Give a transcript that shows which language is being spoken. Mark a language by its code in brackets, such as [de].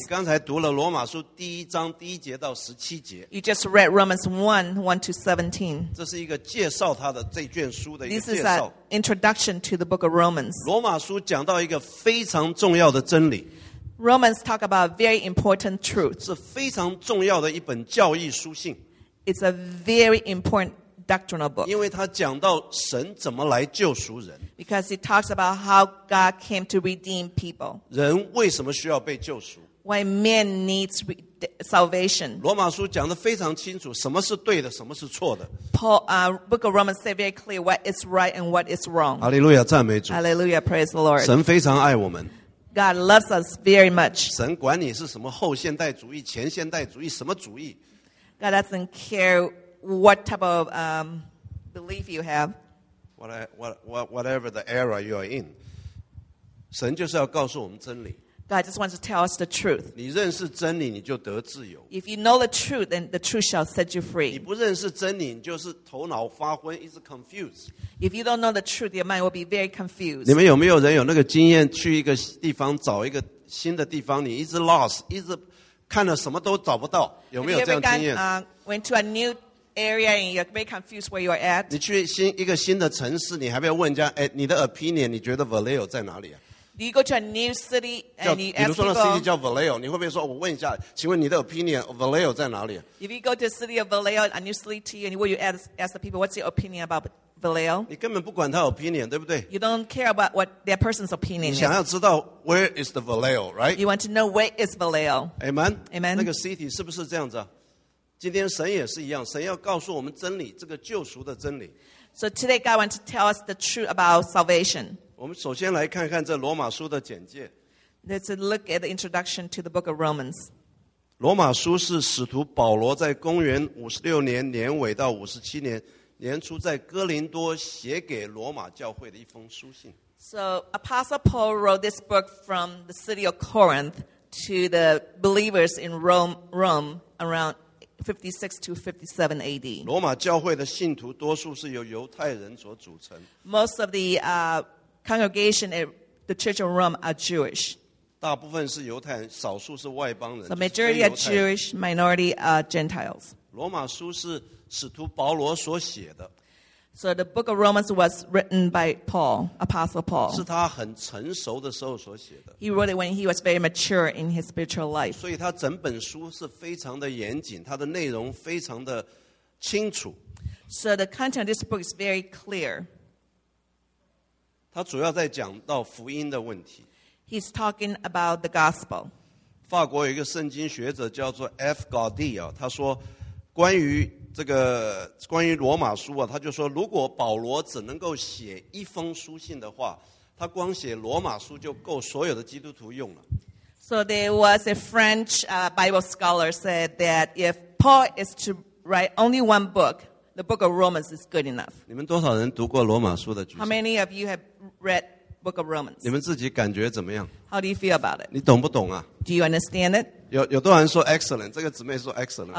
[zh] 刚才读了罗马书第一章第一节到十七节。 [en] You just read Romans 1:1-17. [zh] 这是一个介绍他的这卷书的一个介绍。 [en] This is an introduction to the book of Romans. [zh] 罗马书讲到一个非常重要的真理。 [en] Romans talk about very important truth. [zh] 是非常重要的一本教义书信。 [en] It's a very important doctrinal book. [zh] 因为他讲到神怎么来救赎人。 [en] Because it talks about how God came to redeem people. [zh] 人为什么需要被救赎？ [en] Why man needs salvation. [zh] 罗马书讲得非常清楚，什么是对的，什么是错的。 [en] Paul, Book of Romans say very clear what is right and what is wrong. [zh] 哈利路亚，赞美主。 [en] Hallelujah, praise the Lord. [zh] 神非常爱我们。 [en] God loves us very much. [zh] 神管你是什么后现代主义、前现代主义、什么主义。 [en] God doesn't care what type of belief you have. Whatever the era you are in. [zh] 神就是要告诉我们真理。 [en] God just wants to tell us the truth. [zh] 你认识真理，你就得自由。 [en] If you know the truth, then the truth shall set you free. [zh] 你不认识真理，你就是头脑发昏，一直 [en] confused. If you don't know the truth, your mind will be very confused. [zh] 你们有没有人有那个经验，去一个地方找一个新的地方，你一直 [en] lost， [zh] 一直看了什么都找不到，有没有这样经验？ [en] Went to a new area and you're very confused where you are at. [zh] 你去新一个新的城市，你还要问人家，哎，你的 [en] opinion， [zh] 你觉得 Vallejo 在哪里啊？ [en] Do you go to a new city and you ask people? [zh] 比如说那 city 叫 Vallejo， 你会不会说我问一下，请问你的 [en] opinion [zh] Vallejo 在哪里 [en] ？If you go to the city of Vallejo, a new city to you, and will you ask the people what's your opinion about Vallejo? [zh] 你根本不管他 [en] opinion， [zh] 对不对 [en] ？You don't care about what that person's opinion. [zh] 你想要知道 [en] where is the Vallejo, right? You want to know where is Vallejo. Amen. Amen. [zh] 那个 city 是不是这样子啊？今天神也是一样，神要告诉我们真理，这个救赎的真理。 [en] So today God wants to tell us the truth about salvation. [zh] 我们首先来看看这罗马书的简介。 [en] Let's look at the introduction to the book of Romans. [zh] 罗马书是使徒保罗在公元56年年尾到57年年初在哥林多写给罗马教会的一封书信。 [en] So Apostle Paul wrote this book from the city of Corinth to the believers in Rome around 56-57 AD. [zh] 罗马教会的信徒多数是由犹太人所组成。 [en] Most of the congregation at the Church of Rome are Jewish. [zh] 大部分是犹太人，少数是外邦人。 [en] The majority are Jewish, minority are Gentiles. [zh] 罗马书是使徒保罗所写的。 [en] So the book of Romans was written by Paul, Apostle Paul. [zh] 是他很成熟的时候所写的。 [en] He wrote it when he was very mature in his spiritual life. [zh] 所以他整本书是非常的严谨，它的内容非常的清楚。 [en] So the content of this book is very clear. [zh] 他主要在讲到福音的问题。 [en] He's talking about the gospel. [zh] 法国有一个圣经学者叫做 F. Gaudy 啊，他说关于这个关于罗马书啊，他就说如果保罗只能够写一封书信的话，他光写罗马书就够所有的基督徒用了。 [en] So there was a French Bible scholar said that if Paul is to write only one book, the book of Romans is good enough. [zh] 你们多少人读过罗马书的？ [en] How many of you have read Book of Romans. [zh] 你们自己感觉怎么样？ [en] How do you feel about it? [zh] 你懂不懂啊？ [en] Do you understand it? [zh] 有多少人说 [en] excellent? [zh] 这个姊妹说 excellent.